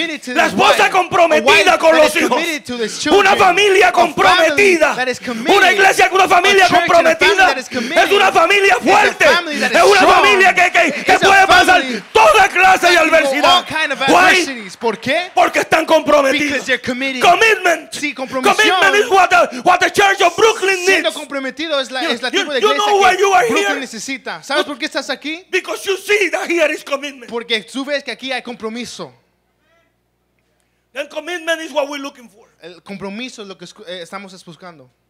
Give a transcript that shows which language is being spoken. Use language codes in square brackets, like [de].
[es] La esposa comprometida con los hijos. Una familia comprometida. Una iglesia con una familia comprometida. Es una familia fuerte. Es una familia que puede pasar toda clase de adversidad. [en] Why? [es] ¿Por qué? Porque están comprometidos. Commitment. Sí, compromiso. [en] Commitment is what the Church of Brooklyn needs. [es] Siendo comprometido es la tipo de iglesia que Brooklyn necesita. ¿Sabes por qué estás aquí? [en] Because you see that here is commitment. [es] Porque tú ves que aquí hay compromiso. [en] Then commitment is what we're looking for. [es] El compromiso es lo que estamos buscando.